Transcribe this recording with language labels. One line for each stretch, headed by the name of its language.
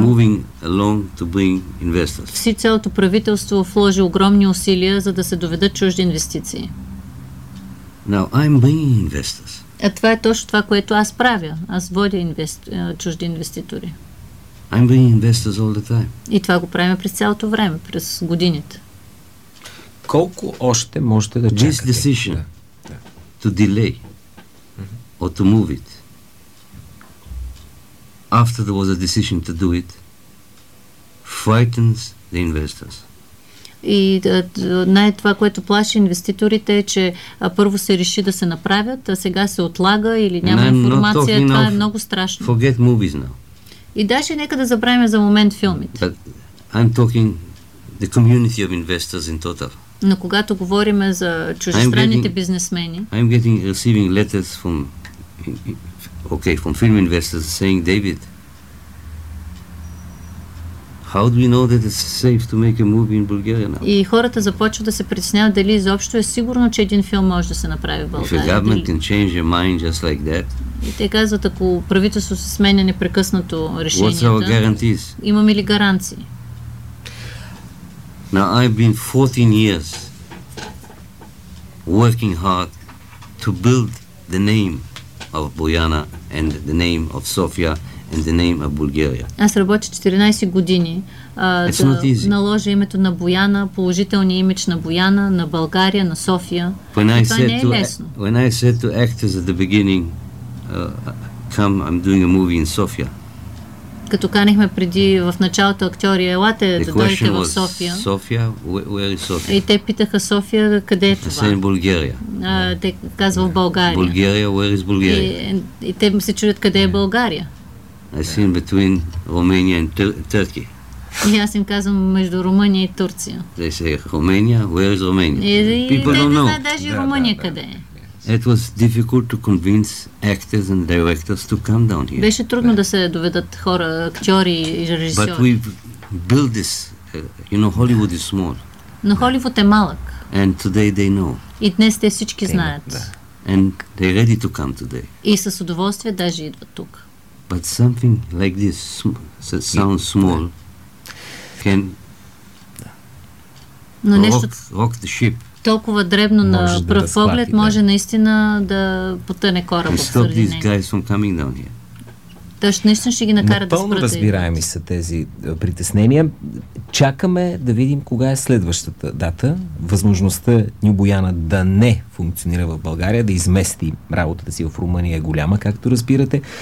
English: Moving along to bring investors.
Bulgarian: Все цялото правителство вложи огромни усилия, за да се доведат чужди инвестиции.
English: Now I'm bringing investors.
Bulgarian: А това е точно това, което аз правя. Аз водя чужди инвеститори.
English: I'm bringing investors all the time.
Bulgarian: И това го правим през цялото време, през годините. Колко още можете да чакате?
English: This decision to delay or to move it. After there was a decision to do it, frightens the investors.
Bulgarian: И най-това, което плаши инвеститорите е, че първо се реши да се направят, а сега се отлага или няма информация. Това е много страшно.
English: Forget movies now.
Bulgarian: И даже нека да забравим за момент филмите.
English: But I'm talking the community of investors in total.
Bulgarian: Но когато говорим за чуждестранните бизнесмени,
English: I'm getting receiving letters from okay, from film investors saying, David, how do we know that it's safe to make a movie in Bulgaria now?
Bulgarian: И хората започват да се притесняват дали изобщо е сигурно, че един филм може да се направи в България.
English: If a government can change your mind just like that,
Bulgarian: и те казват, ако правителството се сменя непрекъснато решенията,
English: what's our guarantees?
Bulgarian: Имаме ли гаранции?
English: Now, I've been 14 years working hard to build the name of Bojana and the name of Sofia and the name of Bulgaria.
Bulgarian: Аз работя 14 години да наложа името на Бояна, положителния имидж на Бояна, на България, на София. Това не е лесно.
English: When I said to actors at the beginning, come, I'm doing a movie in Sofia.
Bulgarian: Като канихме преди в началото актьори, елате да дойдете в София.
English: София, where is Sofia?
Bulgarian: И те питаха София, къде е това?
English: Same Bulgaria.
Bulgarian: Те казва в България.
English: Bulgaria, where is Bulgaria?
Bulgarian: И те се чудят къде е България.
English: I seen between Romania and Turkey.
Bulgarian: И аз им казвам между Румъния и Турция.
English: They say Romania, where is Romania? People don't know.
Bulgarian: Те не знаят даже Румъния къде е.
English: It was difficult to convince actors and directors to come down here.
Bulgarian: Беше трудно да се доведат хора, актьори и режисьори.
English: But we built this, you know, Hollywood is small.
Bulgarian: Но Холивуд е малък.
English: And today they know.
Bulgarian: И днес те всички знаят.
English: And they're ready to come today.
Bulgarian: И с удоволствие даже идват тук.
English: But something like this, that sounds small, can rock the ship.
Bulgarian: Толкова дребно на пръв поглед може наистина да потъне корабът заради него. Точно наистина ще ги накара да спрат. Напълно разбираеми са тези притеснения. Чакаме да видим кога е следващата дата. Възможността Ню Бояна да не функционира в България, да измести работата си в Румъния е голяма, както разбирате.